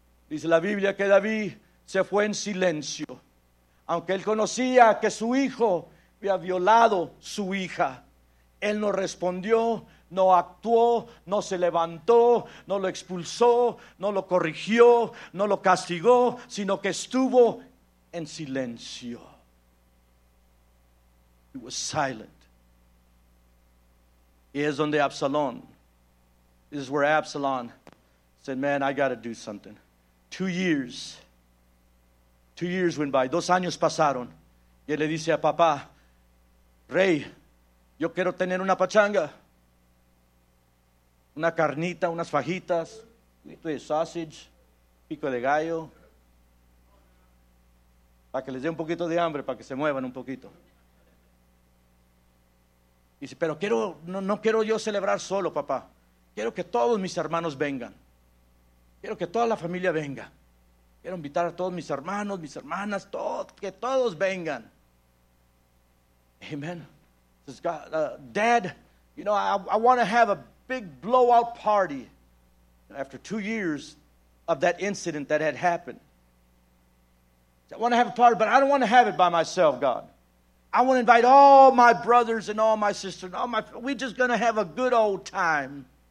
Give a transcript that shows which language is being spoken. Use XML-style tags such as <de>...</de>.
<es>Dice la Biblia que David se fue en silencio. Aunque él conocía que su hijo había violado su hija, él no respondió, no actuó, no se levantó, no lo expulsó, no lo corrigió, no lo castigó, sino que estuvo en silencio.</es> <en>He was silent.</en> <es>Y es donde</es> <en>Absalom, this is where Absalom said, man, I got to do something. 2 years, 2 years went by,</en> <es>2 años pasaron. Y él le dice a papá, rey, yo quiero tener una pachanga. Una carnita, unas fajitas, de sausage, pico de gallo. Para que les dé un poquito de hambre, para que se muevan un poquito. Y dice, pero quiero, no quiero yo celebrar solo, papá. Quiero que todos mis hermanos vengan. Quiero que toda la familia venga. Quiero invitar a todos mis hermanos, mis hermanas, que todos vengan. Amen.</es> <en>Says God, Dad, you know, I want to have a big blowout party. After 2 years of that incident that had happened, I want to have a party, but I don't want to have it by myself, God. I want to invite all my brothers and all my sisters. We're just going to have a good old time.</en>